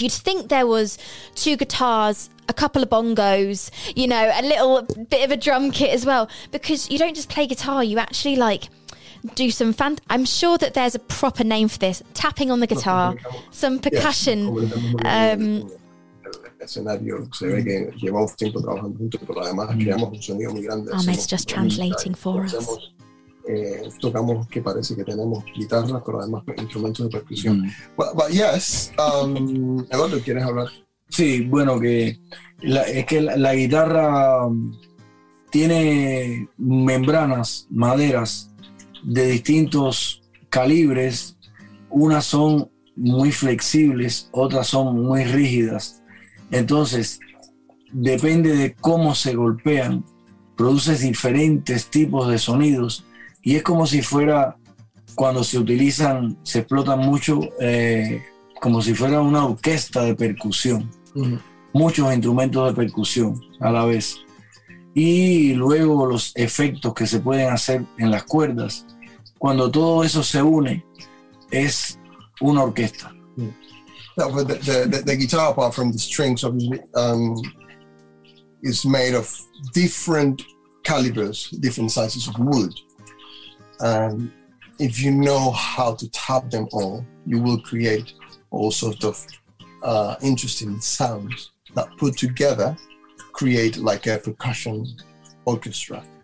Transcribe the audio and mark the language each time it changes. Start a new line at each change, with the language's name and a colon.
English: You'd think there was two guitars, a couple of bongos, you know, a little bit of a drum kit as well, because you don't just play guitar, you actually like do some I'm sure that there's a proper name for this, tapping on the guitar, some percussion. Yes.
Spanish: Escenarios, que llevamos tiempo trabajando juntos, pero además creamos un sonido muy grande.
English: Ahmed's just translating for us.
Spanish: Tocamos que parece que tenemos guitarras, pero además instrumentos de percusión.
English: But yes, Eduardo,
Spanish: ¿quieres hablar? Sí, bueno, que la guitarra tiene membranas, maderas de distintos calibres. Unas son muy flexibles, otras son muy rígidas. Entonces, depende de cómo se golpean, produces diferentes tipos de sonidos, y es como si fuera, cuando se utilizan, se explotan mucho, como si fuera una orquesta de percusión, muchos instrumentos de percusión a la vez. Y luego los efectos que se pueden hacer en las cuerdas, cuando todo eso se une, es una orquesta.
English: No, but the guitar, apart from the strings, obviously, is made of different calibers, different sizes of wood. If you know how to tap them all, you will create all sorts of interesting sounds that put together create like a percussion orchestra.